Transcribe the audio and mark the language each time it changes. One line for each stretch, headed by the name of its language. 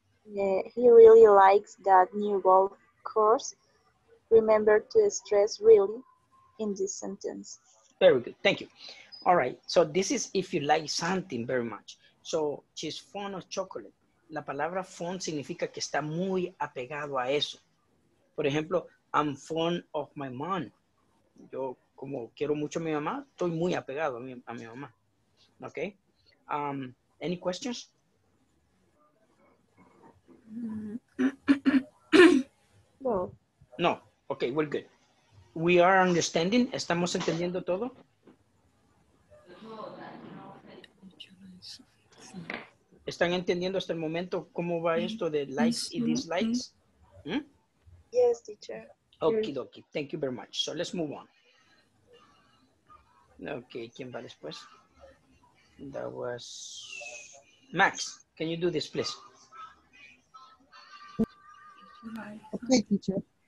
English: Yeah, he really likes that new golf course. Remember to stress really in this sentence. Very good, thank you. All right, so this is if you like something very much. So she's fond of chocolate.
Spanish: La palabra fond significa que está muy apegado a eso. Por ejemplo,
English: I'm fond of my mom.
Spanish: Yo como quiero mucho a mi mamá, estoy muy apegado a mi mamá.
English: Okay. Any questions? No. No. Okay, we're good. We are understanding.
Spanish: ¿Estamos entendiendo todo? ¿Están entendiendo hasta el momento cómo va esto de likes y dislikes? ¿Mm?
English: Yes, teacher. Okie dokie. Thank you very much. So let's move on. Okay,
Spanish: ¿quién va después?
English: That was Max. Can you do this, please? Okay, teacher.